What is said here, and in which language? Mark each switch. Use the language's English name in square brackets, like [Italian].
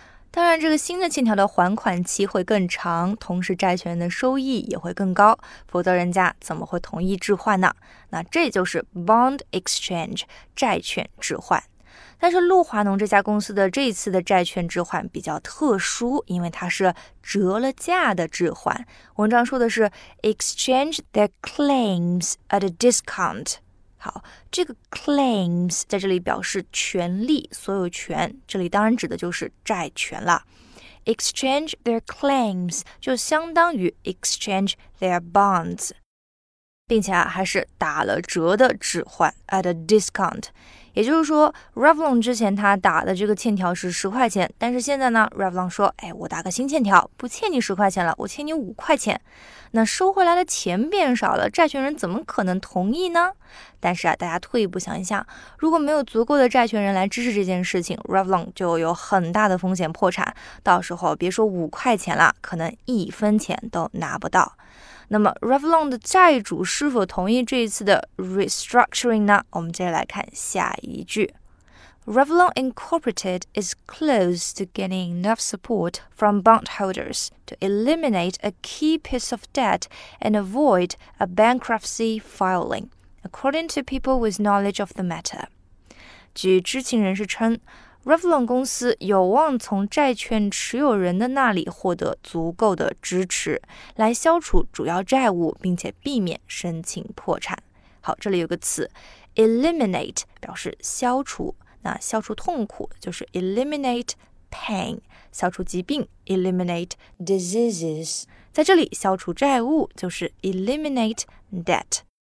[Chinese] 当然这个新的欠条的还款期会更长，同时债权人的收益也会更高，否则人家怎么会同意置换呢？那这就是 bond exchange， 债券置换。但是陆华农这家公司的这次的债券置换比较特殊，因为它是折了价的置换。文章说的是 [English] exchange their claims at a discount。 [Chinese] 好，这个 claims 在这里表示权利、所有权，这里当然指的就是债权了。 [English] Exchange their claims [Chinese] 就相当于 [English] exchange their bonds， [Chinese] 并且、还是打了折的置换 [English] at a discount。 [Chinese] 也就是说 ，Revlon 之前他打的这个欠条是10块钱，但是现在呢 ，Revlon 说，我打个新欠条，不欠你10块钱了，我欠你5块钱。那收回来的钱变少了，债权人怎么可能同意呢？但是啊，大家退一步想一下，如果没有足够的债权人来支持这件事情 ，Revlon 就有很大的风险破产，到时候别说5块钱了，可能一分钱都拿不到。那么 Revlon 的债主是否同意这一次的 restructuring 呢？我们接着来看下一句。 [English] Revlon Incorporated is close to getting enough support from bondholders to eliminate a key piece of debt and avoid a bankruptcy filing, according to people with knowledge of the matter. [Chinese] 据知情人士称， Revlon 公司有望从债券持有人的那里获得足够的支持，来消除主要债务，并且避免申请破产。好，这里有个词 eliminate 表示消除，那消除痛苦就是 [English] eliminate pain， [Chinese] 消除疾病 [English] eliminate diseases， [Chinese] 在这里消除债务就是 [English] eliminate debt。